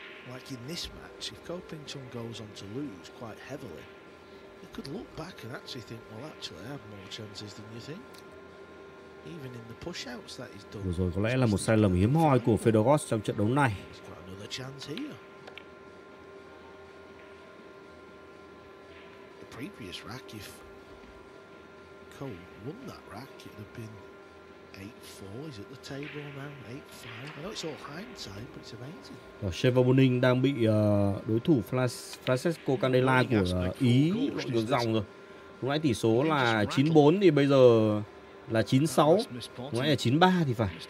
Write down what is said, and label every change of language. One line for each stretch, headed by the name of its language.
English: Like in this match, if Ko Ping Chung goes on to lose quite heavily, you could look back and actually think, well, actually, I have more chances than you think. Even in the push-outs that he's done.
Vietnamese: Vừa rồi có lẽ là một sai lầm hiếm hoi của Fedor Goss trong trận đấu này.
English: He's got another chance here. The previous rack, if Ko won that rack, it would have been 8-4, is it the table now? 8-5. I know it's all hindsight, but it's amazing.
Vietnamese: Shevardnadze đang bị đối thủ Francesco Candela của Ý lội ngược dòng rồi. Lúc nãy tỷ số là 9-4 thì bây giờ là 9-6. Lúc nãy là 9-3 thì phải.